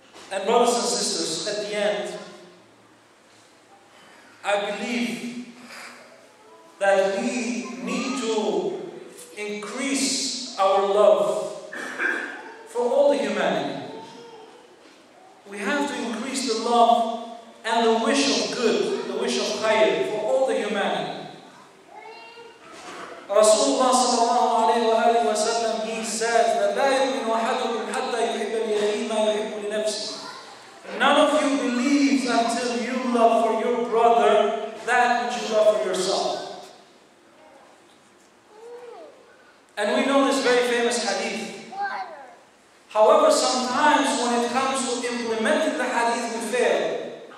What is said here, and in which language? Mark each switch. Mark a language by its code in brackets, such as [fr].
[en] And brothers and sisters, at the end, I believe that we need to increase our love for all the humanity. We have to increase the love and the wish of good, the wish of khayr for all the humanity. Rasulullah sallallahu alayhi wa sallam, he says that [ar] لا يؤمن أحدكم حتى يحب اليتيم ما يحب لنفسه. [en] None of you believes until you love for your brother that which you love for yourself. And we know this very famous hadith. However, sometimes when it comes to implementing the hadith, we fail.